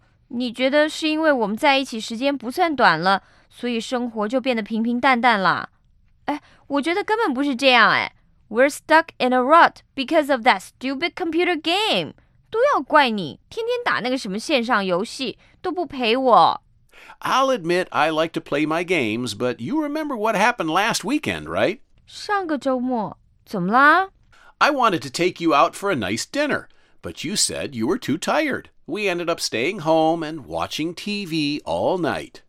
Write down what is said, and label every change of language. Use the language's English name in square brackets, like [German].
[Chinese] 你觉得是因为我们在一起时间不算短了，所以生活就变得平平淡淡了？哎，我觉得根本不是这样哎。 [English] We're stuck in a rut because of that stupid computer game. [Chinese] 都要怪你，天天打那个什么线上游戏，都不陪我。 [English] I'll admit I like to play my games, but you remember what happened last weekend, right? [Chinese] 上个周末，怎么啦？ [English] I wanted to take you out for a nice dinner, but you said you were too tired. We ended up staying home and watching TV all night.